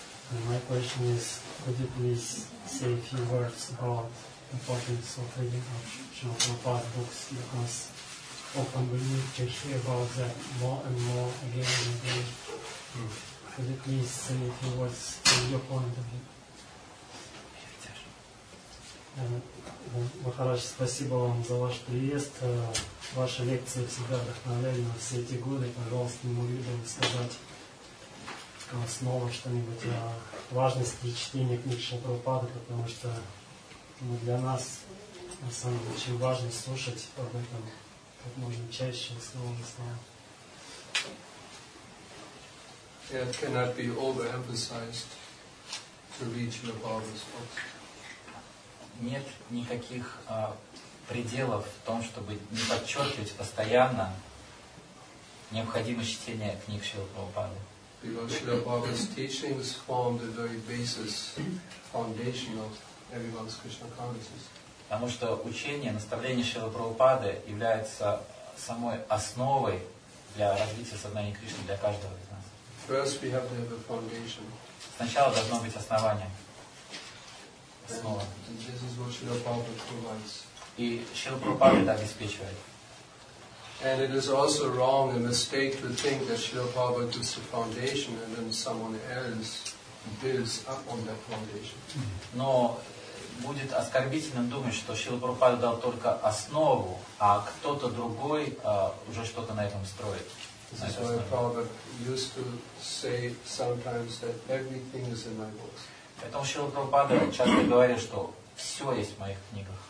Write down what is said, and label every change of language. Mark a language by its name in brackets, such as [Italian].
[English] And my question is, could you please say a few words about the importance of reading of Srila Prabhupada's books? Because often we need to hear about that more and more again and again. Could you please say a few words from your point of view? [Russian] Махарадж, спасибо вам за ваш приезд. Ваши лекции всегда вдохновляли на все эти годы. Пожалуйста, не могли бы вы сказать снова что-нибудь о важности чтения книг Шрилы Прабхупады, потому что для нас на самом деле очень важно слушать об этом как можно чаще и снова и снова. [English] It cannot be overemphasized to reach the Bhagavad books. [Russian] Нет никаких пределов в том, чтобы не подчеркивать постоянно необходимость чтения книг Шрилы Прабхупады. [English] Because Srila Prabhupada's teachings form the very basis, foundation of everyone's Krishna consciousness. [Russian] Потому что учение, наставление Шрилы Прабхупады является самой основой для развития сознания Кришны для каждого из нас. [English] First we have to have a foundation. [Russian] Сначала должно быть основание. [English] This is what Srila Prabhupada provides. [Russian] И Шрила Прабхупада это обеспечивает. [English] And it is also wrong, a mistake to think that Srila Prabhupada gives the foundation and then someone else builds up on that foundation. [Russian] Но будет оскорбительным думать, что Шрила Прабхупада дал только основу, а кто-то другой уже что-то на этом строит. [English] Srila Prabhupada used to say sometimes that everything is in my books. [Russian] Поэтому Шрила Прабхупада часто говорит, что все есть в моих книгах.